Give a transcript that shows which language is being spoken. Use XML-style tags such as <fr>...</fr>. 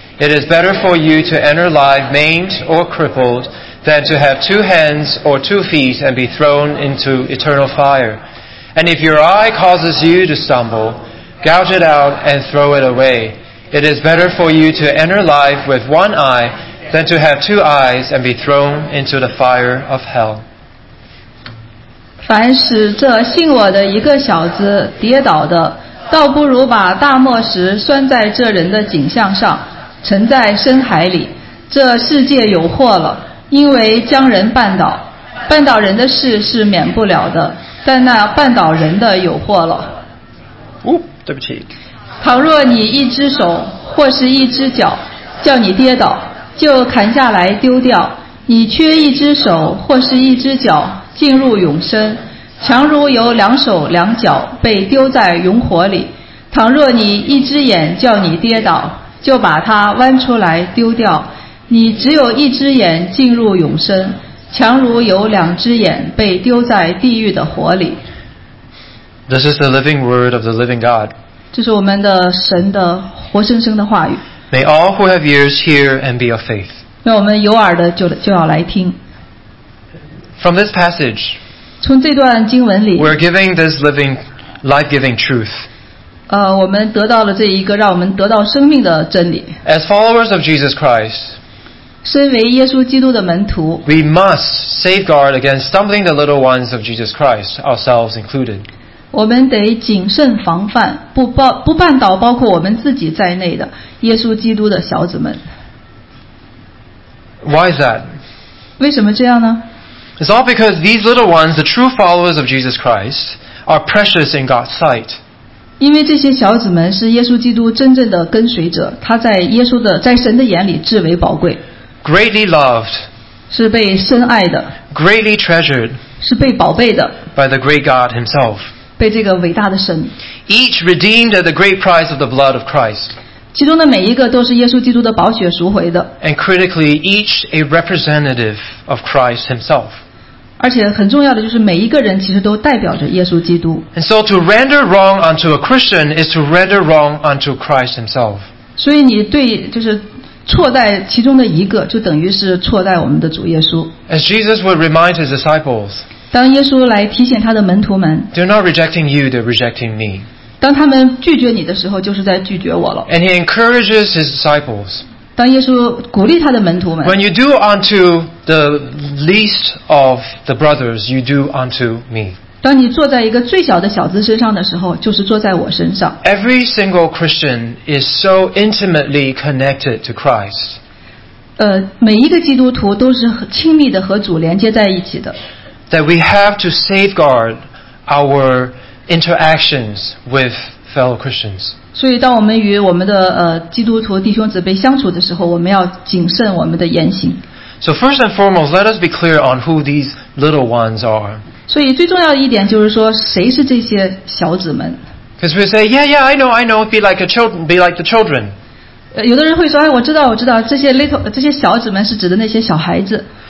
<en>It is better for you to enter life maimed or crippled than to have two hands or two feet and be thrown into eternal fire. And if your eye causes you to stumble, gouge it out and throw it away. It is better for you to enter life with one eye than to have two eyes and be thrown into the fire of hell.</en> <zh>凡使这信我的一个小子跌倒的，倒不如把大磨石拴在这人的颈项上，沉在深海里。这世界有祸了，因为将人绊倒。绊倒人的事是免不了的，但那绊倒人的有祸了。哦，对不起。倘若你一只手或是一只脚叫你跌倒，就砍下来丢掉。你缺一只手或是一只脚进入永生，强如有两手两脚被丢在永火里。倘若你一只眼叫你跌倒，就把它剜出来丢掉。你只有一只眼进入永生，强如有两只眼被丢在地狱的火里。</zh> <en>This is the living word of the living God.</en> <zh>这是我们的神的活生生的话语。</zh> <en>May all who have ears hear and be of faith.</en> <zh>让我们有耳的 就要来听。</zh> <en>From this passage,</en> <zh>从这段经文里，</zh> <en>we're giving this living, life-giving truth.</en> <zh>我们得到了这一个让我们得到生命的真理。</zh> <en>As followers of Jesus Christ,</en> <zh>身为耶稣基督的门徒，</zh> <en>we must safeguard against stumbling the little ones of Jesus Christ, ourselves included.</en> <zh>我们得谨慎防范，不绊倒包括我们自己在内的耶稣基督的小子们。</zh> <en>Why is that?</en> <zh>为什么这样呢？</zh> <en>It's all because these little ones, the true followers of Jesus Christ, are precious in God's sight.</en> <zh>因为这些小子们是耶稣基督真正的跟随者，他在耶稣的在神的眼里至为宝贵。</zh> <en>Greatly loved,</en> <zh>是被深爱的。</zh> <en>Greatly treasured,</en> <zh>是被宝贝的。</zh> <en>By the great God himself,</en> <zh>被这个伟大的神。</zh> <en>Each redeemed at the great price of the blood of Christ,</en> <zh>其中的每一个都是耶稣基督的宝血赎回的。</zh> <en>And critically, each a representative of Christ himself.</en> <zh>而且很重要的就是每一个人其实都代表着耶稣基督。</zh> <en>And so to render wrong unto a Christian is to render wrong unto Christ himself.</en> <zh>所以你对就是错在其中的一个就等于是错在我们的主耶稣。</zh> <en>As Jesus would remind his disciples,</en> <zh>当耶稣来提醒他的门徒们，</zh> <en>they're not rejecting you, they're rejecting me.</en> <zh>当他们拒绝你的时候就是在拒绝我了。</zh> <en>And he encourages his disciples,</en> <zh>当耶稣鼓励他的门徒们，</zh> <en>When you do unto the least of the brothers, you do unto me.</en> <zh>当你坐在一个最小的小子身上的时候，就是坐在我身上。</zh> <en>Every single Christian is so intimately connected to Christ.</en> <zh>每一个基督徒都是亲密的和主连接在一起的。</zh> <en>That we have to safeguard our interactions with fellow Christians.</en> <zh>所以当我们与我们的基督徒弟兄姊妹相处的时候，我们要谨慎我们的言行。</zh> <en>So first and foremost, let us be clear on who these little ones are.</en> <zh>所以最重要的一点就是说谁是这些小子们。</zh> <en>Because we say, yeah, yeah, I know, be like the children.</en> <zh>有的人会说，哎，我知道，这些小子们是指的那些小孩子。</zh>